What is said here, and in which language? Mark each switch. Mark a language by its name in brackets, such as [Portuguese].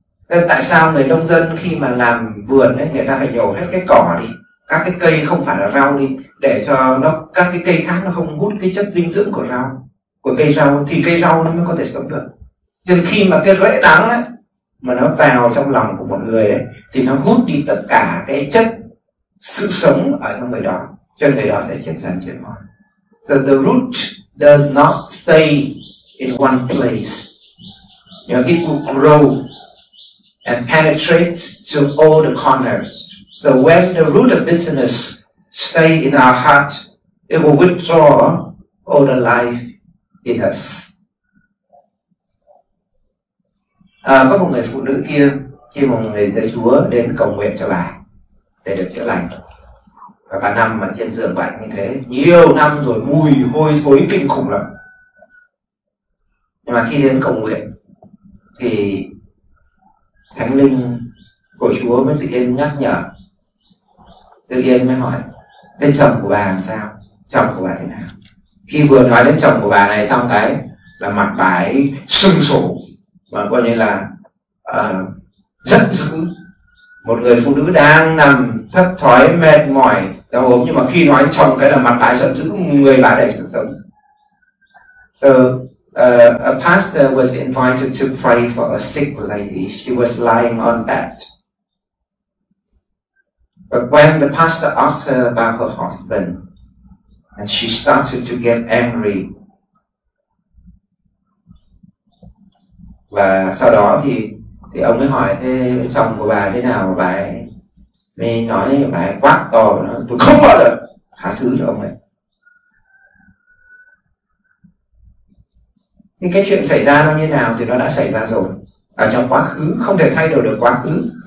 [Vietnamese] Nên tại sao người nông dân khi mà làm vườn ấy, người ta phải nhổ hết cái cỏ đi, các cái cây không phải là rau đi, để cho nó các cái cây khác nó không hút cái chất dinh dưỡng của rau. của cây rau thì cây rau nó mới có thể sống được. Nhưng khi mà cái rễ đắng ấy, mà nó vào trong lòng của một người ấy, thì nó hút đi tất cả cái chất sự sống ở trong người đó, cho người đó sẽ chết dần chết mòn. [English] So the root does not stay in one place. You know, it will grow and penetrate to all the corners. So when the root of bitterness stay in our heart, it will withdraw all the life in us. [Vietnamese] À, có một người phụ nữ kia khi mà người tới Chúa đến cầu nguyện cho bà để được chữa lành. Và bà nằm ở trên giường bệnh như thế nhiều năm rồi, mùi hôi thối kinh khủng lắm. Nhưng mà khi đến cầu nguyện thì Thánh Linh của Chúa mới tự nhiên nhắc nhở. Tự nhiên mới hỏi, thế chồng của bà làm sao? Chồng của bà thế nào? Khi vừa nói đến chồng của bà này xong cái là mặt bà ấy sưng sổ, mà coi như là giận dữ. Một người phụ nữ đang nằm thất thoái mệt mỏi đau ốm, nhưng mà khi nói chồng cái là mặt bà giận dữ, người bà đầy sự sống. [English] So a pastor was invited to pray for a sick lady. She was lying on bed. But when the pastor asked her about her husband, and she started to get angry. [Vietnamese] Và sau đó thì ông mới hỏi thế chồng của bà thế nào, bà ấy mới nói, bà ấy quát to, nói, tôi không bao giờ tha thứ cho ông ấy. Nhưng cái chuyện xảy ra nó như nào thì nó đã xảy ra rồi, ở trong quá khứ, không thể thay đổi được quá khứ.